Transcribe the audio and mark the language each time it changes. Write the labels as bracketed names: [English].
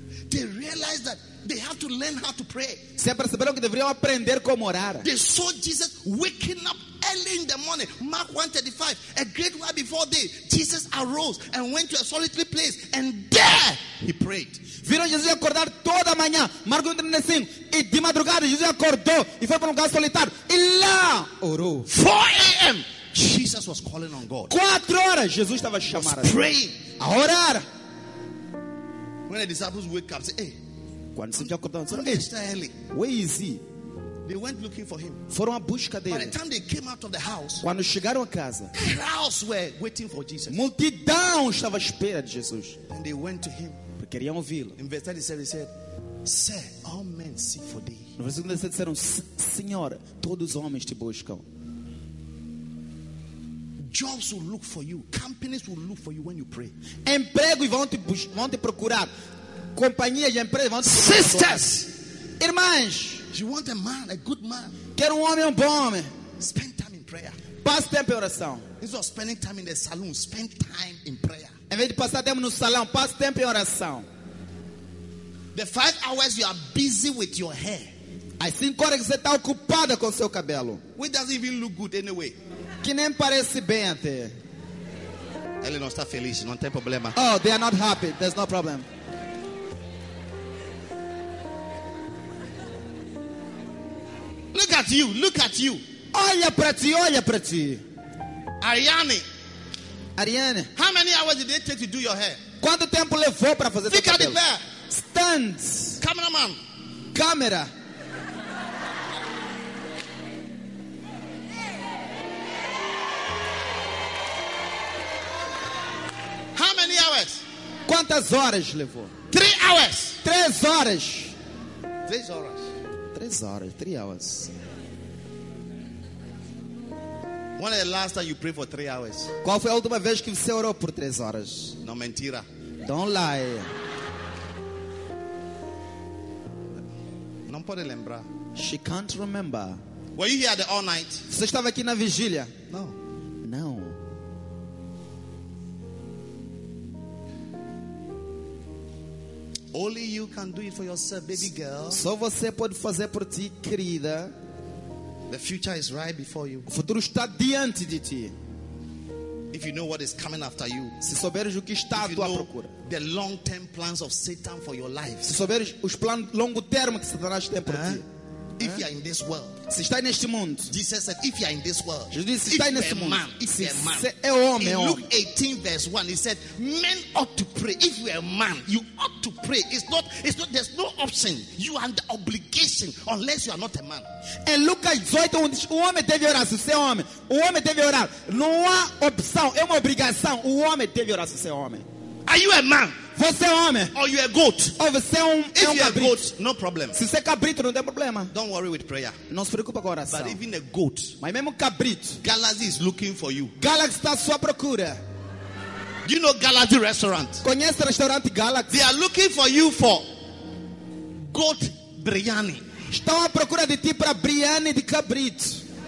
[English] they realized that they have to learn how to pray. [Portuguese] Se perceberam que deveriam aprender como orar. [English] They saw Jesus waking up early in the morning, Mark 1:35. A great while before day, Jesus arose and went to a solitary place, and there he prayed. [Portuguese] Viram Jesus acordar toda manhã, Marcos 1:35. E de madrugada Jesus acordou e foi para lugar solitário e lá orou. [English] 4 a.m. Jesus was calling on God. [Portuguese] 4 horas Jesus estava chamando. [English] Praying. [Portuguese] A orar. [English] When the disciples wake up, say, hey. [Portuguese] Quando se acordou, disse, hey, Mr. Eli, [English] where is he? They went looking for him. [Portuguese] Foram à busca dele. [English] By the time they came out of the house, [Portuguese] quando chegaram à casa, [English] crowds were waiting for Jesus. [Portuguese] Multidão estava à espera de Jesus. [English] And they went to him. [Portuguese] Porque queriam ouvi-lo. [English] In verse 37, he said, sir, all men seek for thee. [Portuguese] No versículo 37, disseram, Senhor, todos os homens te buscam. [English] Jobs will look for you. Companies will look for you when you pray. [Portuguese] Emprego vão te procurar. Companhia de empresa vão te procurar. [English] Sisters, [Portuguese] irmãs, [English] you want a man, a good man. [Portuguese] Quer homem bom. [English] Spend time in prayer. [Portuguese] passe tempo em oração. [English] Instead of spending time in the saloon, spend time in prayer. [Portuguese] Em vez de passar tempo no salão, passe tempo em oração. [English] The 5 hours you are busy with your hair. [Portuguese] As 5 horas que você está ocupada com seu cabelo. [English] Which doesn't even look good anyway. [Portuguese] Que nem parece bem até. Ele não está feliz, não tem problema. [English] Oh, they are not happy. There's no problem. Look at you, look at you. [Portuguese] Olha para ti, olha para ti. [English] Ariane. [Portuguese] Ariane. [English] How many hours did it take to do your hair? [Portuguese] Quanto tempo levou para fazer seu cabelo? Fica de pé. [English] Stand. Cameraman. [Portuguese] Câmera. [English] How many hours? [Portuguese] Quantas horas levou? [English] 3 hours. [Portuguese] 3 horas. 3 horas. 3 horas. [English] 3 hours. When was the last time you prayed for 3 hours? [Portuguese] Qual foi a última vez que você orou por 3 horas? Não, mentira. [English] Don't lie. [Portuguese] Não pode lembrar. [English] She can't remember. Were you here the all night? [Portuguese] Você estava aqui na vigília? [English] No. No. Only you can do it for yourself, baby girl. [Portuguese] Só você pode fazer por ti, querida. [English] The future is right before you. [Portuguese] O futuro está diante de ti. [English] If you know what is coming after you. [Portuguese] Se souberes o que está à tua procura. [English] The long-term plans of Satan for your life. [Portuguese] Se souberes os planos longo termo que Satanás tem por ti. [English] If you are in this world. [Portuguese] Se está neste mundo. [English] Jesus said, if you are in this world. [Portuguese] Jesus disse, se está neste mundo. [English] Man, if [Portuguese] se [English] you are a man. [Portuguese] Se é homem, [English] in Luke 18 verse 1, he said, men ought to pray. If you are a man, you ought to pray. It's not, there's no option. You are under obligation unless you are not a man. [Portuguese] Em Lucas 18, onde diz, o homem deve orar, se você é homem. O homem deve orar. Não há opção, é uma obrigação. O homem deve orar, se você é homem. [English] Are you a man? [Portuguese] Você é homem. [English] Or you a goat? [Portuguese] Ou você é [English] if you are a goat, no problem. [Portuguese] Se você é cabrito, não tem problema. [English] Don't worry with prayer. [Portuguese] Não se preocupa com oração. [English] But even a goat. [Portuguese] Mas mesmo cabrito. [English] Galaxy is looking for you. [Portuguese] Galaxy está à sua procura. [English] Do you know Galaxy restaurant? [Portuguese] Conhece o restaurante Galaxy? [English] They are looking for you for goat biryani. [Portuguese] Estão à procura de ti para biryani de cabrito.